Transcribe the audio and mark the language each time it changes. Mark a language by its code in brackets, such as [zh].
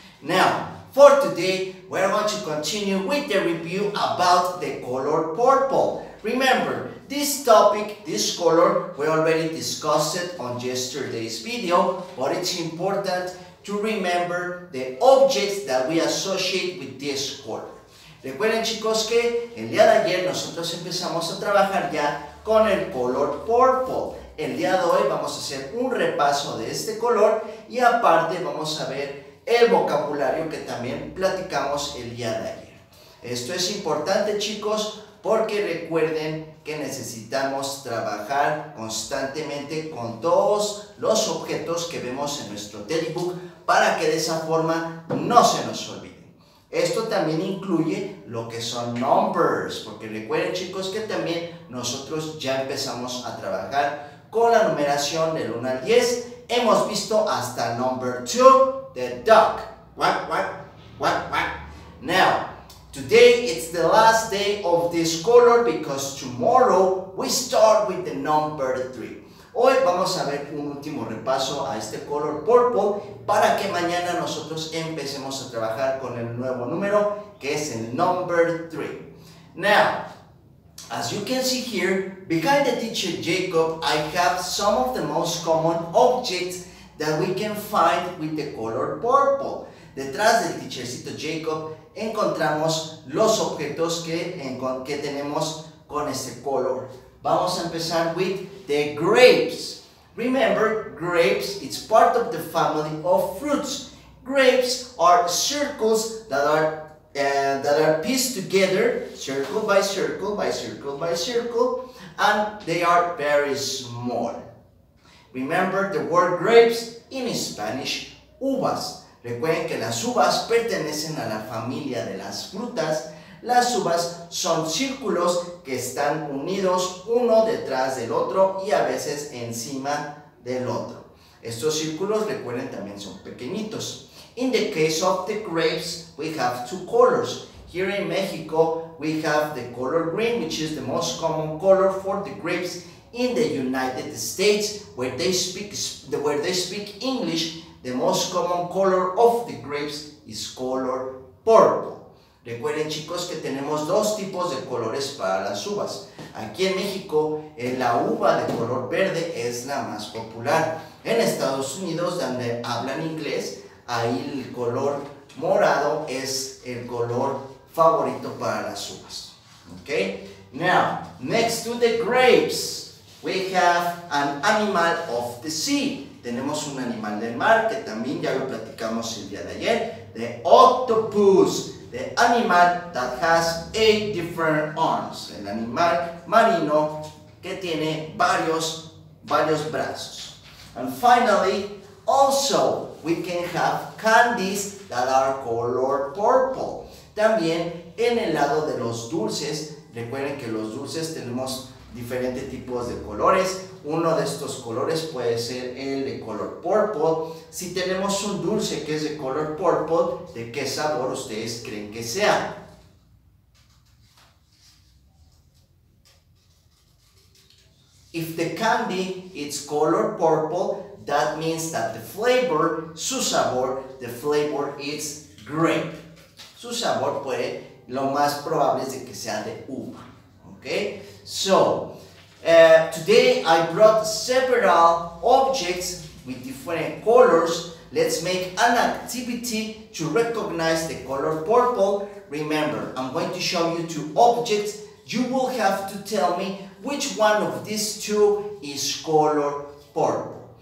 [en] Now, for today, we're going to continue with the review about the color purple. Remember, this topic, this color, we already discussed it on yesterday's video, but it's important to remember the objects that we associate with this color. [es] Recuerden, chicos, que el día de ayer nosotros empezamos a trabajar ya con el color purple. El día de hoy vamos a hacer un repaso de este color y aparte vamos a ver el vocabulario que también platicamos el día de ayer. Esto es importante, chicos, porque recuerden que necesitamos trabajar constantemente con todos los objetos que vemos en nuestro [en] daily book [es] para que de esa forma no se nos olvide. Esto también incluye lo que son numbers, porque recuerden, chicos, que también nosotros ya empezamos a trabajar con la numeración del 1 al 10. Hemos visto hasta [en] number 2, the duck. Quack, quack, quack, quack. Now, today it's the last day of this color because tomorrow we start with the number 3. [es] Hoy vamos a ver un último repaso a este color purple para que mañana nosotros empecemos a trabajar con el nuevo número, que es el [en] number 3. Now, as you can see here, behind the teacher Jacob, I have some of the most common objects that we can find with the color purple. [es] Detrás del teachercito Jacob encontramos los objetos que tenemos con este color. Vamos a empezar [en] with the grapes. Remember, grapes, it's part of the family of fruits. Grapes are circles that are pieced together, circle by circle by circle by circle, and they are very small. Remember the word grapes in Spanish, uvas. [es] Recuerden que las uvas pertenecen a la familia de las frutas. Las uvas son círculos que están unidos uno detrás del otro y a veces encima del otro. Estos círculos, recuerden, también son pequeñitos. [en] In the case of the grapes, we have two colors. Here in Mexico, we have the color green, which is the most common color for the grapes. In the United States, where they speak English, the most common color of the grapes is color purple. [es] Recuerden, chicos, que tenemos dos tipos de colores para las uvas. Aquí en México, la uva de color verde es la más popular. En Estados Unidos, donde hablan inglés, ahí el color morado es el color favorito para las uvas. [en] Okay? Now, next to the grapes, we have an animal of the sea. [es] Tenemos un animal del mar que también ya lo platicamos el día de ayer, [en] the octopus. The animal that has 8 different arms. [es] El animal marino que tiene varios brazos. [en] And finally, also, we can have candies that are color purple. [es] También en el lado de los dulces, recuerden que los dulces tenemos diferentes tipos de colores. Uno de estos colores puede ser el de color purple. Si tenemos un dulce que es de color purple, ¿de qué sabor ustedes creen que sea? [en] If the candy is color purple, that means that the flavor, [es] su sabor, [en] the flavor is grape. [es] Su sabor puede, lo más probable es de que sea de uva. [en] Okay? So, today I brought several objects with different colors. Let's make an activity to recognize the color purple. Remember, I'm going to show you two objects. You will have to tell me which one of these two is color purple.